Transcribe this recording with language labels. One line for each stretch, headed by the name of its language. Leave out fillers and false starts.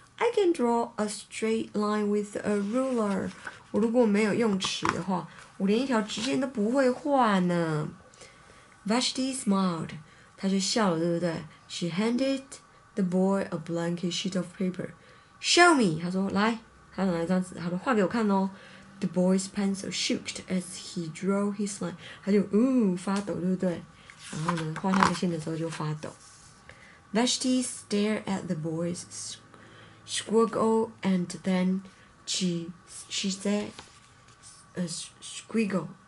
English: I can draw a straight line with a ruler.
Chinese: 我如果没有用尺的话，我连一条直线都不会画呢。
English: Vashti smiled.
Chinese: 她就笑了，对不对
English: ？She handed the boy a blank sheet of paper. Show me.
Chinese: 她说来，她拿一张纸，她说画给我看哦。
English: The boy's pencil shook as he drew his line.
Chinese: 她就发抖，对不对？然后呢，画下个线的时候就发抖。
English: Vashti stared at the boy's squiggle, and then she said, "A squiggle."